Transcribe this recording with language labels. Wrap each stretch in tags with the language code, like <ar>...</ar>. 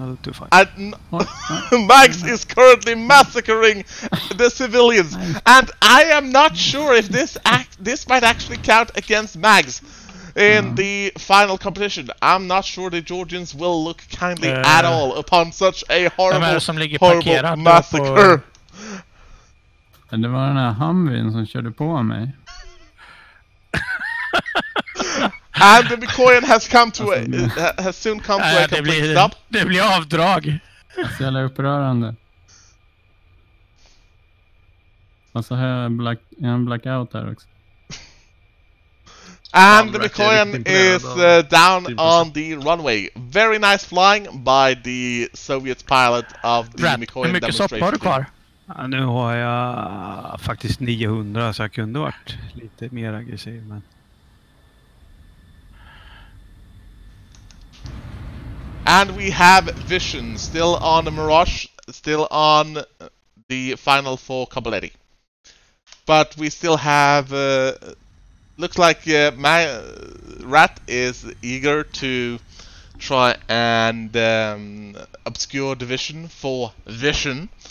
<en>Mags is currently massacring the civilians. And I am not sure if this might actually count against Mags in the final competition. I'm not sure the Georgians will look kindly at all upon such a horrible massacre.</en> <sv>Men det var den här Humvin som körde på mig.</sv> <en>And the McCoyan has come to a, has soon come to a complete stop.</en> <sv>Det blir avdrag. Så jävla upprörande. Och så har jag en blackout här också.</sv> <en>And the McCoyan is down on the runway. Very nice flying by the Soviet pilot of the McCoyan demonstration.</en> <sv>Ja, nu har jag faktiskt 900, så jag kunde varit lite mer aggressiv, men...</sv> <en>And we have Vision, still on the Mirage, still on the final four Cabaletti. But we still have... looks like my Rat is eager to try and obscure the Vision for Vision.</en>